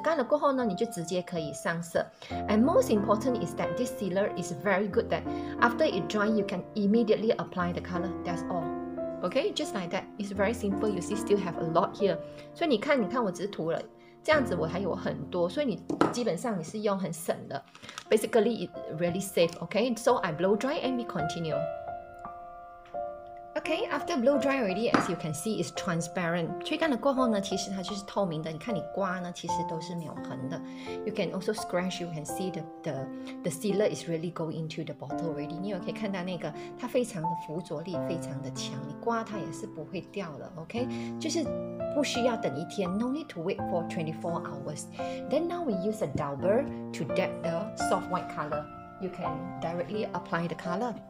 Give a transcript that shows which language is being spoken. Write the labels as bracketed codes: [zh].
[zh] 干了过后呢，你就直接可以上色。 [en] And most important is that this sealer is very good that after it dry, you can immediately apply the color. That's all. Okay, just like that. It's very simple. You see, still have a lot here. [zh] 所以你看我只是涂了。这样子我还有很多，所以你基本上你是用很省的。 [en] Basically, it really safe. Okay, so I blow dry and we continue. Okay, after blow dry already, as you can see, it's transparent. [zh] 吹干了过后呢，其实它就是透明的。你看你刮呢，其实都是没有痕的。 [en] You can also scratch, you can see the sealer is really go into the bottle already. [zh] 你也可以看到那个，它非常的附着力，非常的强。你刮它也是不会掉的。Okay, 就是不需要等一天 ， [en] no need to wait for 24 hours. Then now we use a dauber to dab the soft white color. You can directly apply the color.